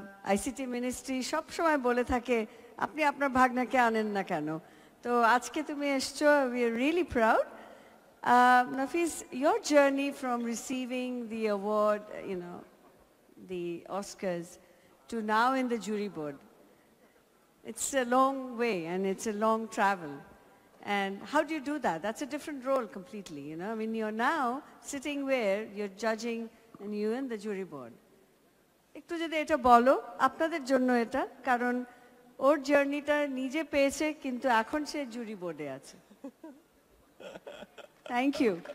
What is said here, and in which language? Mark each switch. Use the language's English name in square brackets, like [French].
[Bangla] ICT ministry সবসময় বলে থাকে আপনি আপনার ভাগনাকে আনেন না কেন তো আজকে তুমি এসছো [English] We are really proud Nafis your journey from receiving the award you know the Oscars to now in the jury board it's a long way and it's a long travel And how do you do that? That's a different role completely, you know? I mean, you're now sitting where you're judging and you and the jury board. [Bangla] একটু যদি এটা বলো আপনাদের জন্য এটা কারণ ওর জার্নিটা নিজে পেয়েছে কিন্তু এখন সে জুরি বোর্ডে আছে [English] thank you